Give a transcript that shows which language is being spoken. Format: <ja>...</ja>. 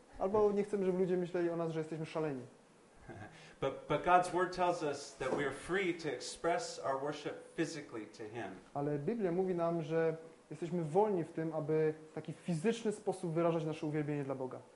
<pl>Albo nie chcemy, żeby ludzie myśleli o nas, że jesteśmy szaleni.</pl> <en>But God's word tells us that we are free to express our worship physically to Him.</en> <pl>Ale Biblia mówi nam, że jesteśmy wolni w tym, aby w taki fizyczny sposób wyrażać nasze uwielbienie dla Boga.</pl>